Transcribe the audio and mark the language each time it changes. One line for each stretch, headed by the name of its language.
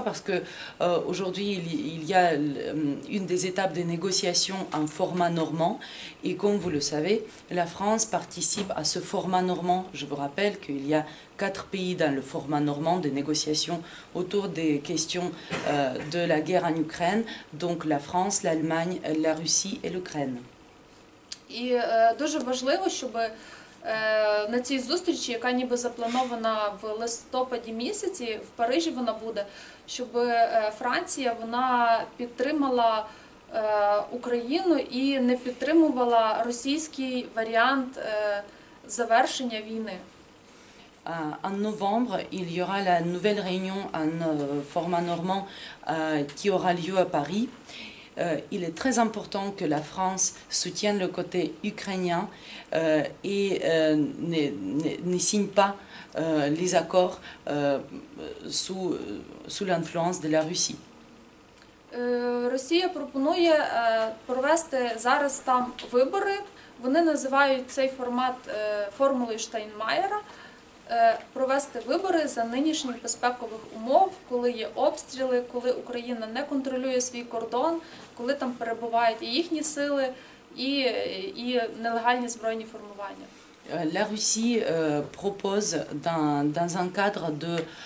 French: Parce que aujourd'hui, il y a une des étapes des négociations en format normand. Et comme vous le savez, la France participe à ce format normand. Je vous rappelle qu'il y a 4 pays dans le format normand des négociations autour des questions de la guerre en Ukraine. Donc la France, l'Allemagne, la Russie et l'Ukraine. Et très
Ukrainian: важливо, чтобы на цій зустрічі, яка ніби запланована в листопаді місяці, в Парижі вона буде, щоб Франція вона підтримала Україну і не підтримувала російський варіант завершення війни.
French: En novembre, il y aura la nouvelle réunion en format normand qui aura lieu à Paris. Il est très important que la France soutienne le côté ukrainien et ne signe pas les accords sous l'influence de la Russie.
Ukrainian: Росія пропонує провести зараз там вибори. Вони називають цей формат формулою Штайнмайера. Провести вибори за нинішніх безпекових умов, коли є обстріли, коли Україна не контролює свій кордон, коли там перебувають і їхні сили, і нелегальні збройні формування.
French: La Russie propose dans un cadre de